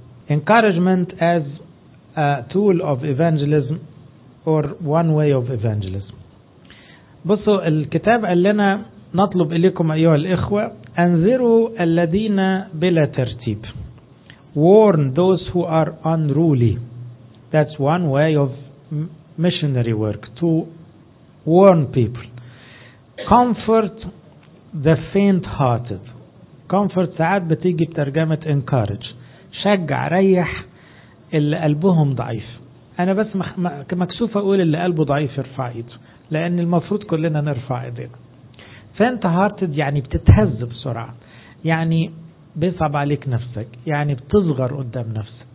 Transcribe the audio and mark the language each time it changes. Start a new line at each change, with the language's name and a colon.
English: encouragement as a tool of evangelism or one way of evangelism.
Arabic: بصوا الكتاب قال لنا نطلب إليكم أيها الإخوة أنذروا الذين بلا ترتيب.
English: Warn those who are unruly. That's one way of missionary work, to warn people. Comfort the faint-hearted.
Arabic: Comfort ساعات بتيجي بترجمة encourage، شجع ريح اللي قلبهم ضعيف. انا بس مكسوف اقول اللي قلبه ضعيف يرفع ايده، لان المفروض كلنا نرفع ايدينا. فانت هارتد يعني بتتهز بسرعة، يعني بيصعب عليك نفسك، يعني بتصغر قدام نفسك.